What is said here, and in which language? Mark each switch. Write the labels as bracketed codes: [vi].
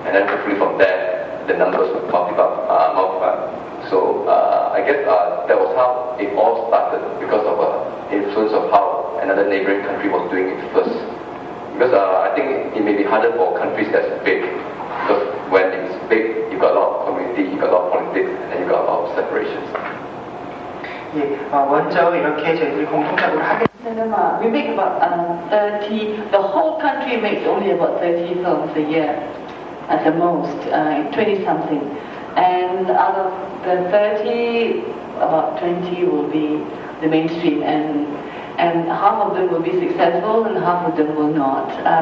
[en] And then hopefully from there, the numbers would multiply. So I guess that was how it all started, because of influence of how another neighboring country was doing it first. Because I think it may be harder for countries that's big, because when it's big, you've got a lot of community, you've got a lot of politics, and you've got a lot of separations. [ko] 예, 먼저 이렇게 저희들이 공통적으로 하겠습니다. [en] We make about 30, the whole country makes only about 30 films a year, at the most, 20 something. And out of the 30, about 20 will be the mainstream, and half of them will be successful and half of them will not.